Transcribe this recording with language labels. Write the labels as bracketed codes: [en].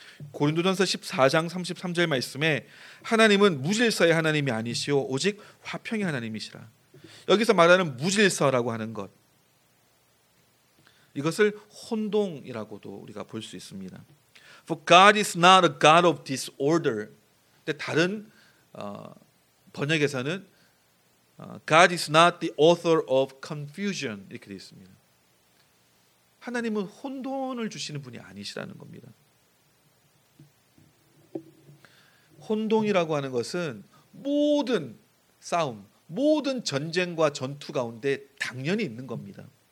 [ko] 고린도전서 14장 33절 말씀에 하나님은 무질서의 하나님이 아니시오 오직 화평의 하나님이시라. 여기서 말하는 무질서라고 하는 것, 이것을 혼동이라고도 우리가 볼 수 있습니다. [en] For God is not a God of disorder. [ko] 근데 다른 번역에서는 [en] God is not the author of confusion [ko] 이렇게 되어 있습니다. 하나님은 혼돈을 주시는 분이 아니시라는 겁니다. 혼돈이라고 하는 것은 모든 싸움, 모든 전쟁과 전투 가운데 당연히 있는 겁니다.